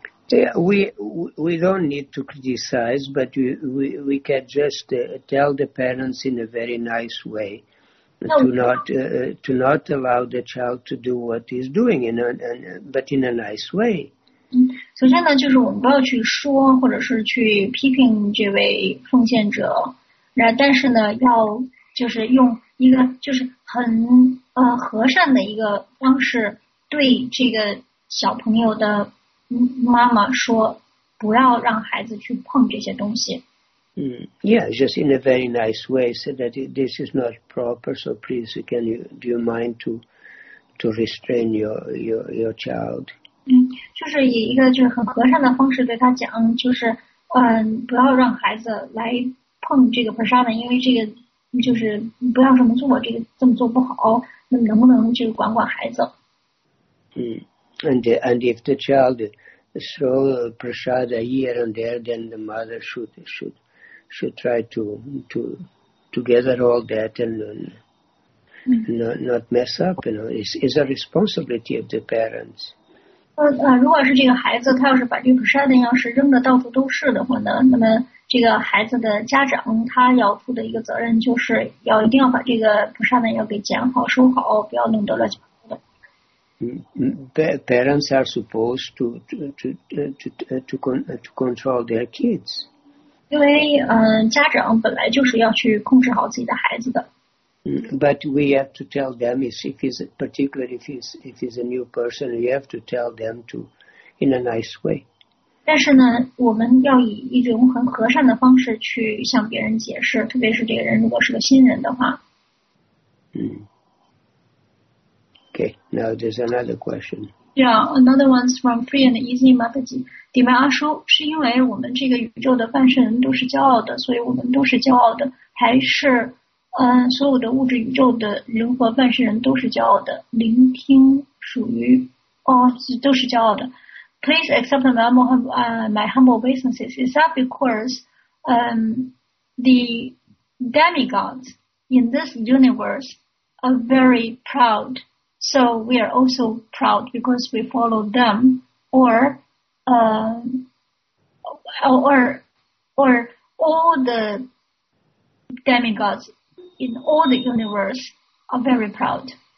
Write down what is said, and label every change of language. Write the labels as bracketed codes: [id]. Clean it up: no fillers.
[en] Yeah, we don't need to criticize, but we can just tell the parents in a very nice way to not allow the child to do what he's doing, but in a nice way. [zh] 首先呢，就是我们不要去说或者是去批评这位奉献者，然但是呢，要就是用一个就是很和善的一个方式对这个小朋友的妈妈说，不要让孩子去碰这些东西。 [en] Yeah, just in a very nice way, so that this is not proper. So please, can you do you mind to restrain your child? [zh] 就是以一个就是很和善的方式对他讲，就是不要让孩子来碰这个 persona， 因为这个就是不要这么做，这个这么做不好。那能不能就管管孩子？ [en] And if the child throw prasada here and there, then the mother should try to gather all that and not mess up. You know, it's a responsibility of the parents. [zh] 如果是这个孩子，他要是把这个prasada要是扔的到处都是的话呢，那么这个孩子的家长他要负的一个责任就是要一定要把这个prasada要给捡好收好，不要弄得乱七八糟。 [en] Parents are supposed to control their kids. [zh] 因为家长本来就是要去控制好自己的孩子的。 [en] But we have to tell them if it's a new person, we have to tell them to in a nice way. [zh] 但是呢，我们要以一种很和善的方式去向别人解释，特别是这个人如果是个新人的话。 [en] Okay, now there's another question. Yeah, another one's from Free and Easy Mapaji. [zh] Dima Ashu, 是因为我们这个宇宙的半神都是骄傲的，所以我们都是骄傲的，还是所有的物质宇宙的人和半神人都是骄傲的，聆听属于都是骄傲的。 [en] Please accept my humble obeisances. Is that because the demigods in this universe are very proud? So we are also proud because we follow them, or all the demigods in all the universe are very proud.